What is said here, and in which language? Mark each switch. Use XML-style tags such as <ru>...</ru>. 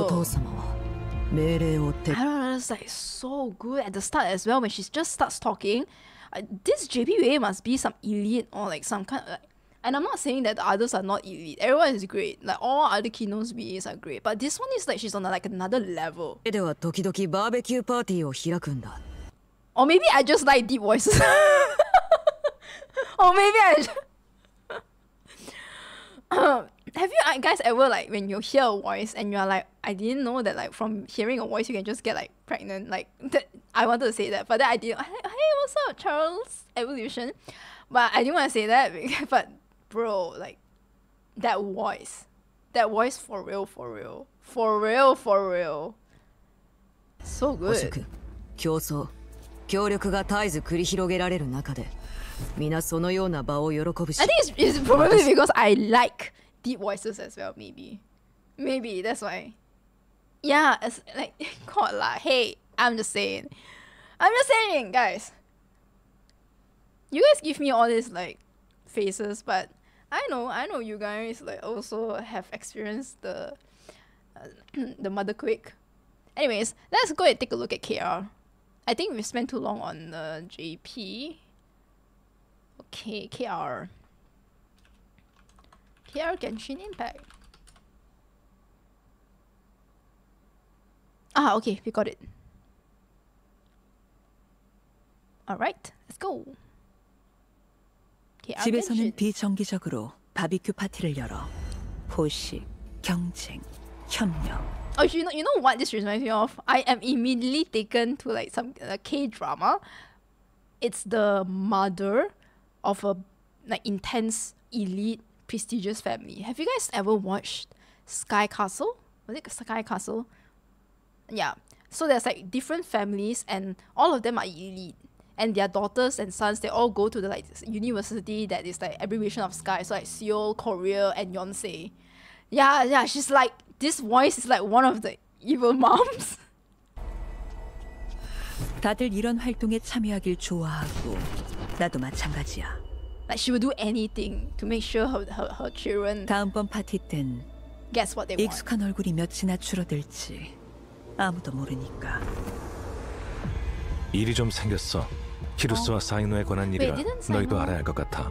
<ja>お父様は命令を手。</ja> <en>I don't know, it's like so good at the start as well when she just starts talking. This JP UA must be some elite or like some kind of like. And I'm not saying that the others are not elite. Everyone is great. Like all other Kino's VAs are great. But this one is like she's on a, like another level.</en> <ja>では時々バーベキューパーティーを開くんだ。</ja> <en>Or maybe I just like deep voices. Or maybe I just... Have you guys ever like when you hear a voice and you are like, I didn't know that like from hearing a voice you can just get like pregnant. Like that, I wanted to say that, but then I didn't. Hey, what's up, Charles Evolution? But I didn't want to say that, but... Bro, like that voice for real, for real, for real, for real. So good.</en> <ja>捕食、競争、協力が絶えず繰り広げられる中で、みなそのような場を喜ぶし。</ja> <en>I think it's probably because I like deep voices as well. Maybe, maybe that's why. Yeah, it's like Kodla. Hey, I'm just saying, guys. You guys give me all these like faces, but. I know you guys like also have experienced the mother quick. Anyways, let's go and take a look at KR. I think we spent too long on the JP. Okay, KR. KR Genshin Impact. Ah, okay, we got it. Alright, let's go.</en> <ko>KR 집에서는 Genshin. 비정기적으로. 바비큐 파티를 열어 포식 경쟁 협력.</ko> <en>Oh, you know what this reminds me of? I am immediately taken to like some K drama. It's the mother of a like intense elite prestigious family. Have you guys ever watched Sky Castle? Was it Sky Castle? Yeah. So there's like different families, and all of them are elite. And their daughters and sons, they all go to the like university that is like abbreviation of Sky. So like Seoul, Korea, and Yonsei. Yeah, yeah. She's like this voice is like one of the evil moms.</en> <ko>다들 이런 활동에 참여하길 좋아하고 나도 마찬가지야.</ko> <en>Like she would do anything to make sure her children.</en> <ko>다음번 파티 땐</ko> <en>guess what they want.</en> <ko>익숙한 얼굴이 몇이나 줄어들지 아무도 모르니까. 일이 좀 생겼어. 키루스와 사이노에 관한 일이라 너희도 알아야 할 것 같아.</ko>